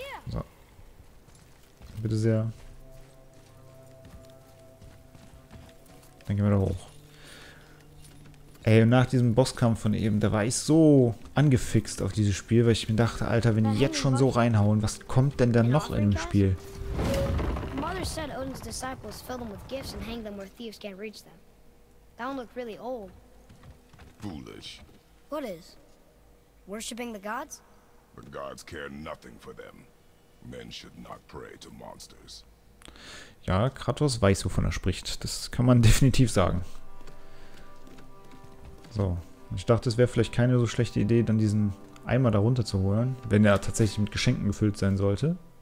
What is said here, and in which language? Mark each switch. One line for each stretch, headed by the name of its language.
German: So. Bitte sehr. Dann gehen wir da hoch. Ey, und nach diesem Bosskampf von eben, da war ich so angefixt auf dieses Spiel, weil ich mir dachte, Alter, wenn die jetzt schon so reinhauen, was kommt denn dann noch in dem Spiel?
English: Said Odin's disciples fill them with gifts and hang them where thieves can't reach them. That one looked really old. Foolish. What is? Worshipping the gods? The gods care nothing for them. Men should not pray to monsters.
German: Ja, Kratos weiß, wovon er spricht. Das kann man definitiv sagen. So. Ich dachte, es wäre vielleicht keine so schlechte Idee, dann diesen Eimer da runter zu holen, wenn er tatsächlich mit Geschenken gefüllt sein sollte.